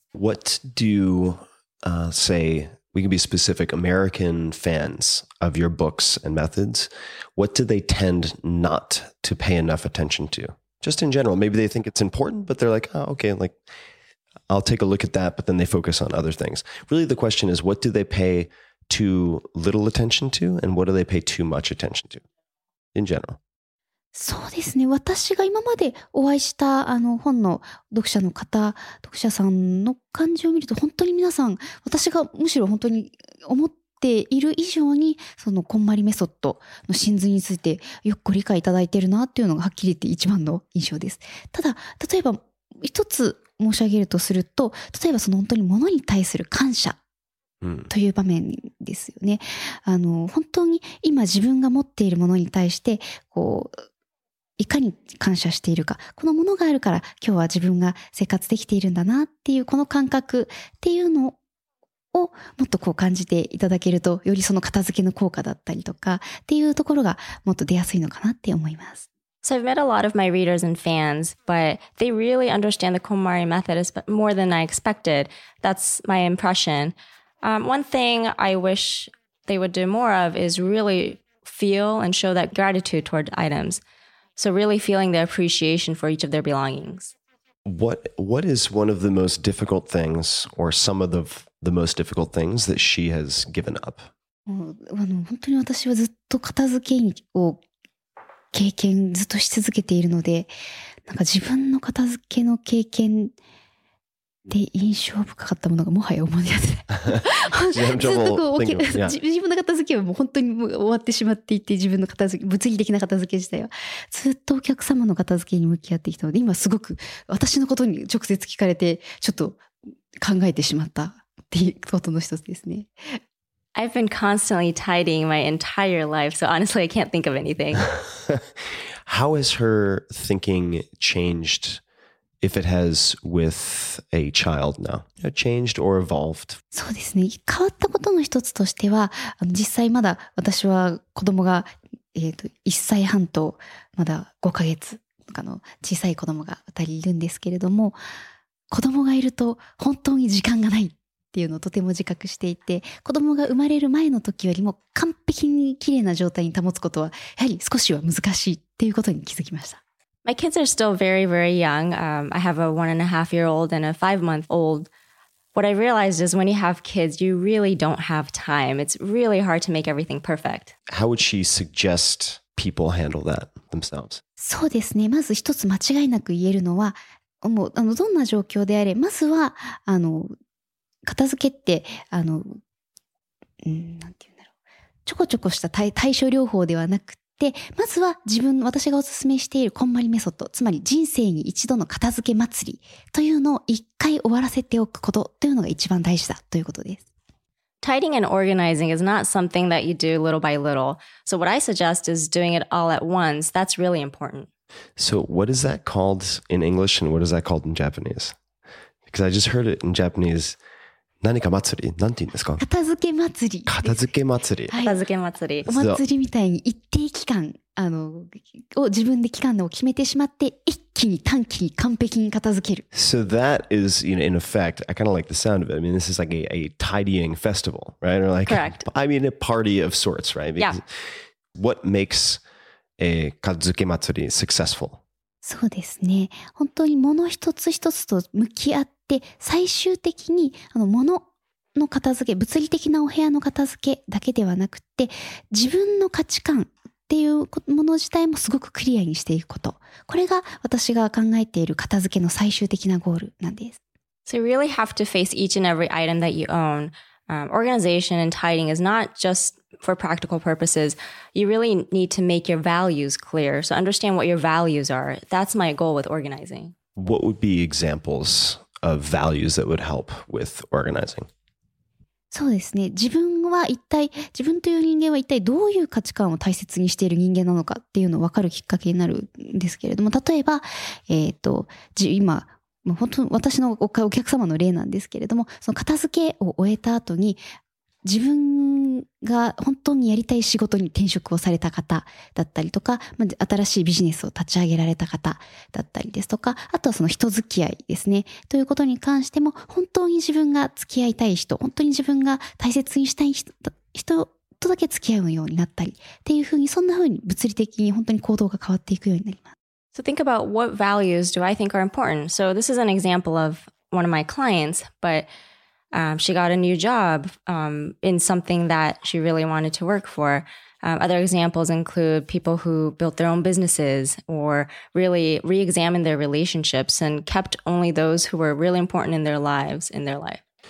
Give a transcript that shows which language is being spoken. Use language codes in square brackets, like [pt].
[en] What do, say, we can be specific, American fans of your books and methods, what do they tend not to pay enough attention to? Just in general, maybe they think it's important, but they're like, oh, okay, like, I'll take a look at that, but then they focus on other things. Really, the question is, what do they pay too little attention to, and what do they pay too much attention to, in general? [ja] そうですね、私が今までお会いした、本の読者の方、読者さんの感じを見ると、本当に皆さん、私がむしろ本当に思っている以上に、そのこんまりメソッドの真髄についてよくご理解いただいているなっていうのがはっきり言って一番の印象です。ただ例えば一つ申し上げるとすると、例えばその本当に物に対する感謝という場面ですよね。本当に今自分が持っているものに対してこういかに感謝しているか、このものがあるから今日は自分が生活できているんだなっていう、この感覚っていうのをもっとこう感じていただけると、よりその片付けの効果だったりとかっていうところがもっと出やすいのかなって思います。 [en] So I've met a lot of my readers and fans, but they really understand the KonMari method more than I expected. That's my impression. One thing I wish they would do more of is really feel and show that gratitude toward items. So really feeling the appreciation for each of their belongings. What is one of the most difficult things or some of the most difficult things that she has given up? [ja] 本当に私はずっと片付けを経験ずっとし続けているので、なんか自分の片付けの経験で印象深かったものがもはや思い出せない。ずっとこう、自分の片付けはもう本当にもう終わってしまっていて、自分の片付け、物理的な片付け自体は、ずっとお客様の片付けに向き合ってきたので、今すごく私のことに直接聞かれて、ちょっと考えてしまったっていうことの一つですね。 [en] I've been constantly tidying my entire life, so honestly, I can't think of anything. How has her thinking changed, if it has, with a child now? Changed or evolved? [ja] そうですね。変わったことの一つとしては、実際まだ私は子供が、1歳半とまだ5ヶ月とかの小さい子供が2人いるんですけれども、子供がいると本当に時間がない。っていうのをとても自覚していて、子供が生まれる前の時よりも完璧に綺麗な状態に保つことはやはり少しは難しいっていうことに気づきました。 [en] My kids are still very, very young. I have a 1.5-year-old and a 5-month-old. What I realized is when you have kids, you really don't have time. It's really hard to make everything perfect. How would she suggest people handle that themselves? [ja] そうですね。まず一つ間違いなく言えるのは、もうどんな状況であれ、まずは片付けって、なんて言うんだろう。ちょこちょこした対処療法ではなくて、まずは自分、私がおすすめしているこんまりメソッド、つまり人生に一度の片付け祭りというのを一回終わらせておくことというのが一番大事だということです。 [en] Tidying and organizing is not something that you do little by little. So what I suggest is doing it all at once. That's really important. So what is that called in English and what is that called in Japanese? Because I just heard it in Japanese... [ja] 何か祭り？なんて言うんですか？片付け祭り。片付け祭り。はい、片付け祭り。お祭りみたいに一定期間を自分で期間を決めてしまって一気に短期に完璧に片付ける。 [en] So that is, you know, in effect, I kind of like the sound of it. I mean, this is like a tidying festival, right? Or like, correct. I mean, a party of sorts, right? Because yeah. What makes a 片付け祭り successful? [ja] そうですね。本当に物一つ一つと向き合って最終的に物の片付け、物理的なお部屋の片付けだけではなくて、自分の価値観っていうもの自体もすごくクリアにしていくこと。これが私が考えている片付けの最終的なゴールなんです。 [en] So you really have to face each and every item that you own. Organization and tidying is not just for practical purposes. You really need to make your values clear. So understand what your values are. That's my goal with organizing. What would be examples? Of values that would help with organizing. [ja] そうですね。自分は一体、自分という人間は一体どういう価値観を大切にしている人間なのかっていうのを分かるきっかけになるんですけれども、例えば、今、本当私のお客様の例なんですけれども、その片付けを終えた後に、自分が本当にやりたい仕事に転職をされた方だったりとか、新しいビジネスを立ち上げられた方だったりですとか、あとはその人付き合いですね、ということに関しても、本当に自分が付き合いたい人、本当に自分が大切にしたい人とだけ付き合うようになったり、っていうふうに、そんなふうに物理的に本当に行動が変わっていくようになります。 [en] So think about what values do I think are important. So this is an example of one of my clients, but... she got a new job in something that she really wanted to work for. Other examples include people who built their own businesses or really re-examined their relationships and kept only those who were really important in their lives in their life.